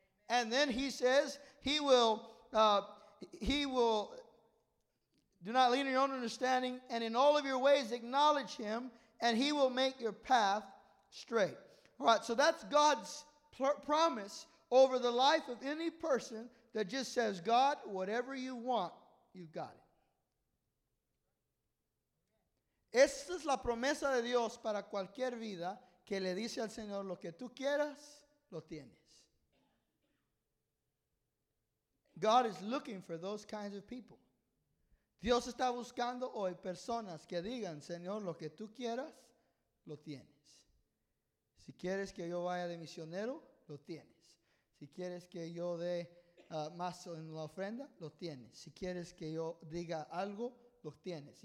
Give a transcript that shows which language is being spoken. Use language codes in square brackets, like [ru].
[en] And then he says, he will, do not lean on your own understanding, and in all of your ways acknowledge him, and he will make your path straight. All right, so that's God's promise over the life of any person that just says, God, whatever you want, you've got it. [es] Esta es la promesa de Dios para cualquier vida que le dice al Señor, lo que tú quieras, lo tienes. [en] God is looking for those kinds of people. [es] Dios está buscando hoy personas que digan, Señor, lo que tú quieras, lo tienes. Si quieres que yo vaya de misionero, lo tienes. Si quieres que yo dé más en la ofrenda, lo tienes. Si quieres que yo diga algo, lo tienes.